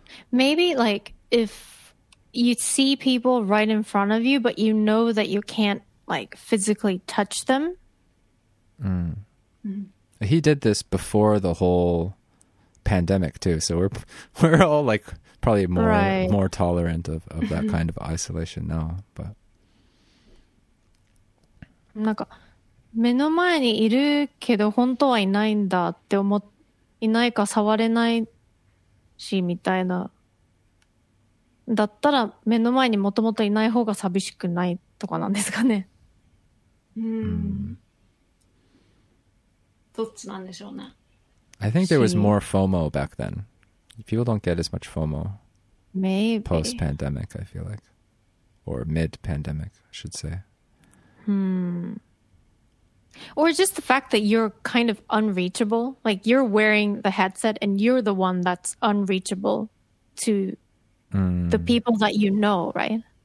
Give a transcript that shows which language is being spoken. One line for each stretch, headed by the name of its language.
English: Maybe like if you see people right in front of you, but you know that you can't like physically touch them. He did this before the whole pandemic too, so we're all like probably more more tolerant of that kind of isolation now. But
Japanese: なんか目の前にいるけど本当はいないんだって思っ、いないか触れないしみたいな、だったら目の前にもともといない方が寂しくないとかなんですかね。どっちなんでしょうね。
English: I think there was more FOMO back then. People don't get as much FOMO. Maybe. Post-pandemic, I feel like. Or mid-pandemic, I should say. Or just the fact that you're kind of unreachable. Like, you're wearing the headset and you're the one that's unreachable to the people that you know, right?